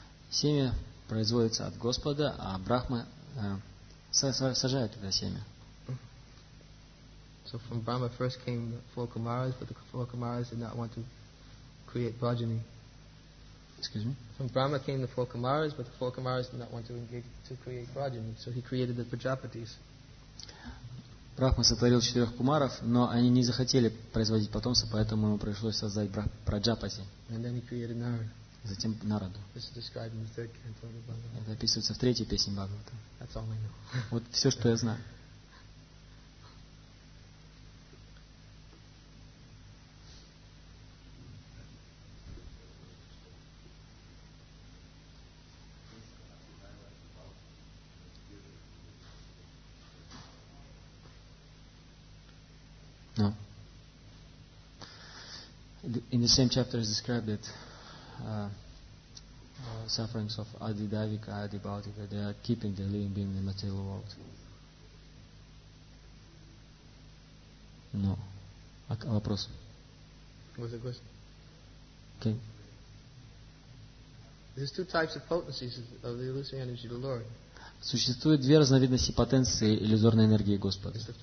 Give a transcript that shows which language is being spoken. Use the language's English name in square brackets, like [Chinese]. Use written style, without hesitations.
[Russian] Семя производится от Господа, а Брахма сажает это семя. [English] So from Brahma first came the four Kumaras, but the four Kumaras did not want to create progeny. Excuse me? From Brahma came the four Kumaras, but the four Kumaras did not want to engage to create progeny. So he created the Prajapatis. [Russian] Брахма сотворил четырех кумаров, но они не захотели производить потомство, поэтому ему пришлось создать Праджапати. [English] And then he created Narada. [Russian] Затем Нараду. [English] This is described in the third canto of the Bhagavata. [Russian] Это описывается в третьей песне Бхагавата. [English] That's all I know. [Russian] Вот все, что я знаю. [English] No. In the same chapter is described that sufferings of Adi Daivika, Adi Bhautika, they are keeping the living being in the material world. No. [Russian] А вопрос? [English] What's the question? Okay. There's two types of potencies of the illusory energy of the Lord. [Russian] Существует две разновидности потенции иллюзорной энергии Господа.